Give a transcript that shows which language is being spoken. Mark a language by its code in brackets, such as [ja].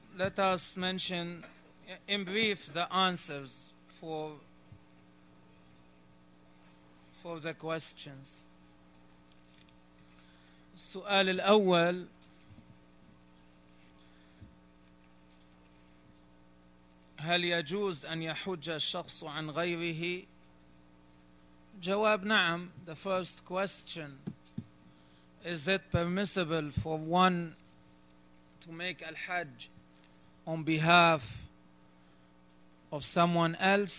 [en] Let us mention in brief the answers for the questions. [ar] السؤال الأول: هل يجوز أن يحج الشخص عن غيره؟ جواب نعم. [en] The first question: Is it permissible for one to make al-hajj on behalf of someone else?